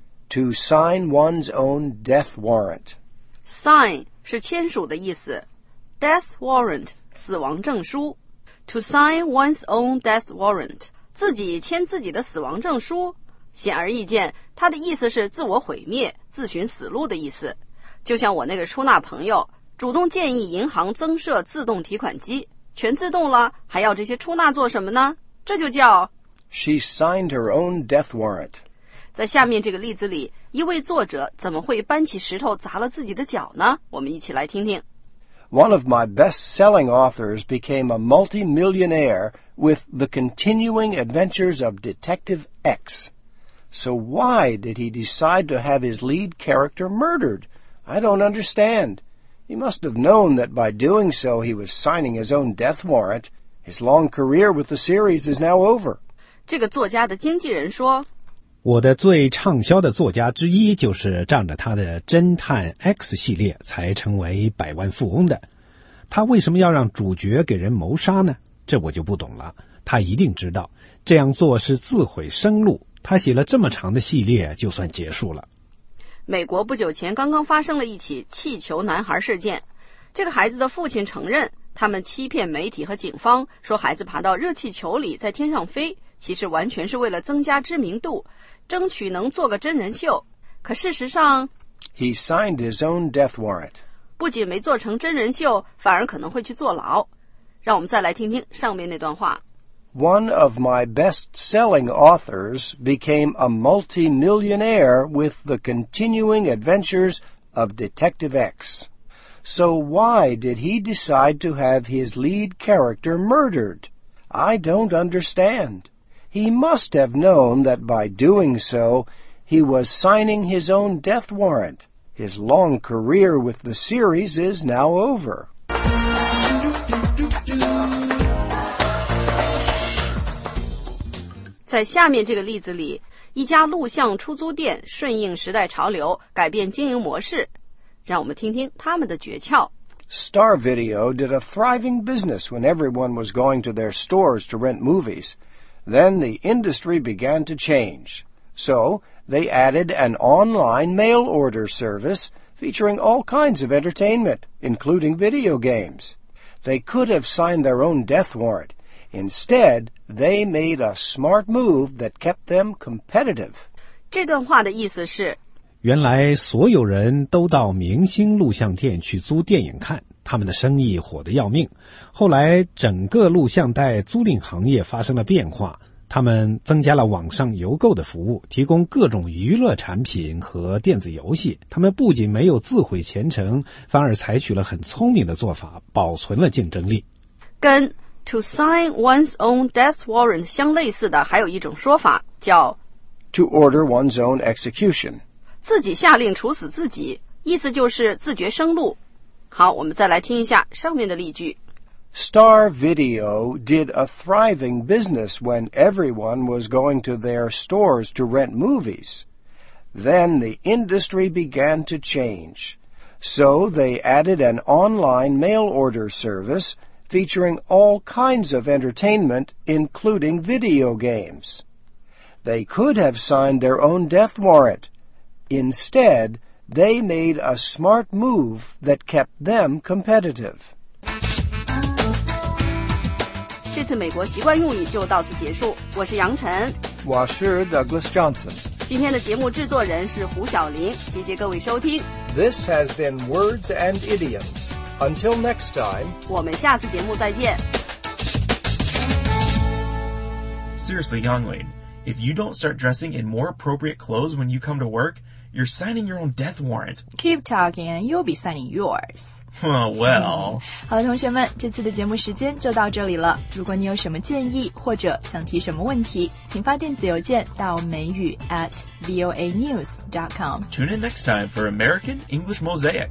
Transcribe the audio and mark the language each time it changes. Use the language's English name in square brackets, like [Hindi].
[English] To sign one's own death warrant. [Chinese] Sign 是签署的意思。Death warrant, 死亡证书。 [English] To sign one's own death warrant, [Chinese] 自己签自己的死亡证书。显而易见，它的意思是自我毁灭，自寻死路的意思。就像我那个出纳朋友主动建议银行增设自动提款机，全自动了，还要这些出纳做什么呢？这就叫 [English] She signed her own death warrant。 [Chinese] 在下面这个例子里，一位作者怎么会搬起石头砸了自己的脚呢？我们一起来听听。 [English] One of my best-selling authors became a multi-millionaire with The Continuing Adventures of Detective X. So why did he decide to have his lead character murdered? I don't understand. He must have known that by doing so he was signing his own death warrant. His long career with the series is now over. [Chinese] 这个作家的经纪人说，我的最畅销的作家之一就是仗着他的侦探 X 系列才成为百万富翁的。他为什么要让主角给人谋杀呢？这我就不懂了。他一定知道，这样做是自毁生路。他写了这么长的系列就算结束了。美国不久前刚刚发生了一起气球男孩事件，这个孩子的父亲承认他们欺骗媒体和警方，说孩子爬到热气球里在天上飞，其实完全是为了增加知名度，争取能做个真人秀。可事实上 [English] He signed his own death warrant， [Chinese] 不仅没做成真人秀，反而可能会去坐牢。让我们再来听听上面那段话。 [English] One of my best-selling authors became a multi-millionaire with the continuing adventures of Detective X. So why did he decide to have his lead character murdered? I don't understand. He must have known that by doing so, he was signing his own death warrant. His long career with the series is now over. [Chinese] 在下面这个例子里，一家录像出租店顺应时代潮流，改变经营模式。让我们听听他们的诀窍。 [English] Star Video did a thriving business when everyone was going to their stores to rent movies. Then the industry began to change. So, they added an online mail order service featuring all kinds of entertainment, including video games. They could have signed their own death warrant. Instead, they made a smart move that kept them competitive. [Chinese] 这段话的意思是，原来所有人都到明星录像店去租电影看，他们的生意火得要命。后来整个录像带租赁行业发生了变化，他们增加了网上邮购的服务，提供各种娱乐产品和电子游戏。他们不仅没有自毁前程，反而采取了很聪明的做法，保存了竞争力。跟 [English] To sign one's own death warrant [Chinese] 相类似的还有一种说法叫 [English] To order one's own execution， [Chinese] 自己下令处死自己，意思就是自绝生路。好，我们再来听一下上面的例句。 [English] Star Video did a thriving business when everyone was going to their stores to rent movies. Then the industry began to change. So they added an online mail order serviceFeaturing all kinds of entertainment, including video games. They could have signed their own death warrant. Instead, they made a smart move that kept them competitive. [Chinese] 这次美国习惯用语就到此结束。我是杨晨，我是 Douglas Johnson。今天的节目制作人是胡晓玲。谢谢各位收听。 [English] This has been Words and Idioms. Until next time, [Chinese] 我们下次节目再见。 [English] Seriously, Yonglin, if you don't start dressing in more appropriate clothes when you come to work, you're signing your own death warrant. Keep talking, and you'll be signing yours. Well. [Chinese] 好了，同学们，这次的节目时间就到这里了。如果你有什么建议或者想提什么问题，请发电子邮件到美语@voanews.com. [English] Tune in next time for American English Mosaic.